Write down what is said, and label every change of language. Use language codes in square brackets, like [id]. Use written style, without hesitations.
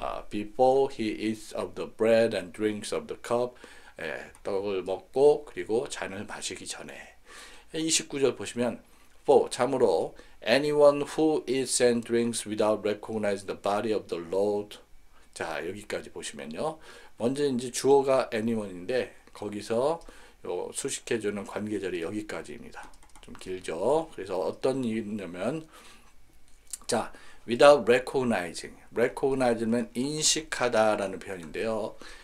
[en] Before he eats of the bread and drinks of the cup. [ko] 떡을 먹고 그리고 잔을 마시기 전에. 29절 보시면 [en] For, [ko] 참으로 [en] anyone who eats and drinks without recognizing the body of the Lord. [ko] 자, 여기까지 보시면요. 먼저 이제 주어가 anyone인데 거기서 요 수식해주는 관계절이 여기까지입니다. 좀 길죠. 그래서 어떤 일이냐면 자, [en] without recognizing. [ko] recognize는 인식하다라는 표현인데요.